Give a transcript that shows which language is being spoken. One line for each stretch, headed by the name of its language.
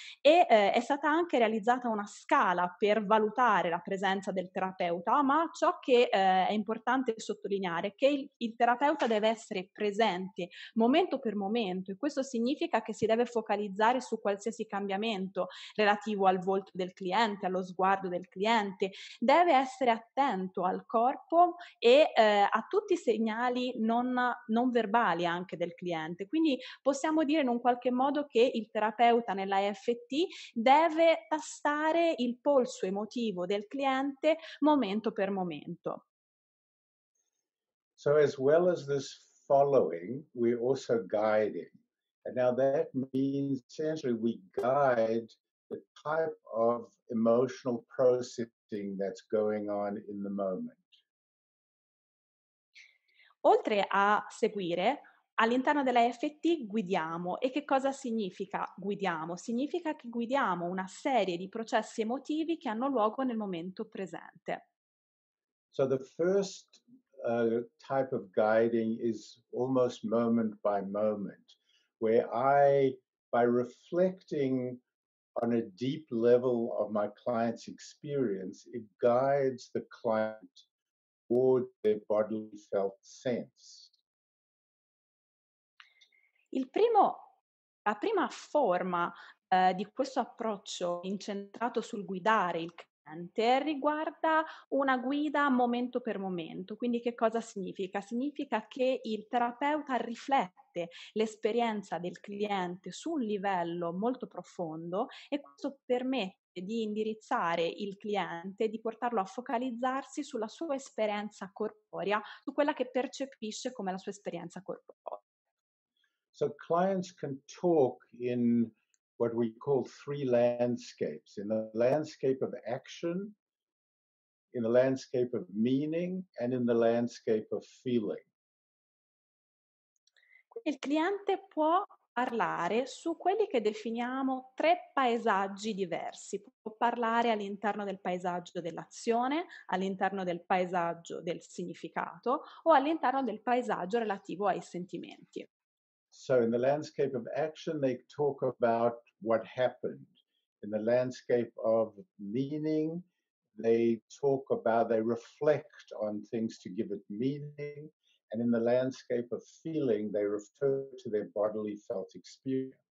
Italian: e è stata anche realizzata una scala per valutare la presenza del terapeuta, ma ciò che è importante sottolineare è che il terapeuta deve essere presente momento per momento e questo significa che si deve focalizzare su qualsiasi cambiamento relativo al volto del cliente, allo sguardo del cliente, deve essere attento al corpo e a tutti i segnali non verbali anche del cliente. Quindi possiamo dire in un qualche modo che il terapeuta nell'IFT deve tastare il polso emotivo del cliente momento per momento.
English: So as well as this following, we also guiding. And now that means essentially we guide the type of emotional process that's going on in the moment.
Italian: Oltre a seguire, all'interno dell'IFT guidiamo. E che cosa significa guidiamo? Significa che guidiamo una serie di processi emotivi che hanno luogo nel momento presente.
English: So the first type of guiding is almost moment by moment, where I, by reflecting on a deep level of my client's experience, it guides the client toward their bodily felt sense.
Italian: La prima forma di questo approccio incentrato sul guidare il cliente riguarda una guida momento per momento. Quindi che cosa significa? Significa che il terapeuta riflette l'esperienza del cliente su un livello molto profondo e questo permette di indirizzare il cliente, di portarlo a focalizzarsi sulla sua esperienza corporea, su quella che percepisce come la sua esperienza corporea.
English: So clients can talk in what we call three landscapes, in the landscape of action, in the landscape of meaning, and in the landscape of feeling.
Italian: Il cliente può parlare su quelli che definiamo tre paesaggi diversi. Può parlare all'interno del paesaggio dell'azione, all'interno del paesaggio del significato o all'interno del paesaggio relativo ai sentimenti.
English: So in the landscape of action they talk about what happened. In the landscape of meaning they talk about, they reflect on things to give it meaning. And in the landscape of feeling, they refer to their bodily felt experience.